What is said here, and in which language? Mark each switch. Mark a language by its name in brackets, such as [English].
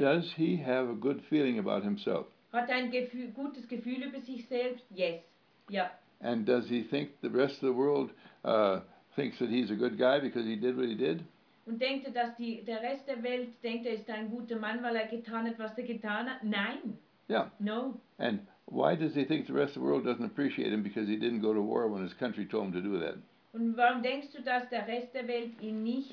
[English] Does he have a good feeling about himself? [German] Hat ein Gefühl, gutes Gefühl über sich selbst? [English] Yes. Yeah. And does he think the rest of the world thinks that he's a good guy because he did what he did? [German] Und denkt er, dass die, der Rest der Welt denkt, er ist ein guter Mann, weil er getan hat, was er getan hat? Nein. [English] Yeah. No. And why does he think the rest of the world doesn't appreciate him because he didn't go to war when his country told him to do that? [German] Und warum denkst du, dass der Rest der Welt ihn nicht